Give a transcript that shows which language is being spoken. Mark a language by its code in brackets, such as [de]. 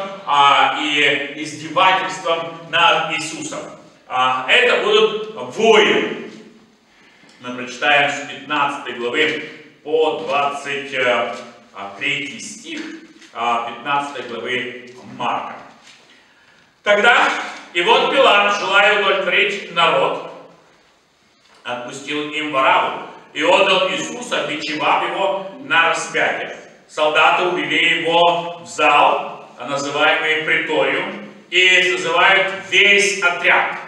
[ru] Издевательством над Иисусом. Это будут воины. [uk] Ми прочитаємо з 15 глави по 23 стих 15 глави Марка. [ru] Тогда, и вот Пилат, желая удовлетворить народ, отпустил им Бараву и отдал Иисуса, бичевав его на распятие. Солдаты увели его в зал, называемый преторием, и созывают весь отряд.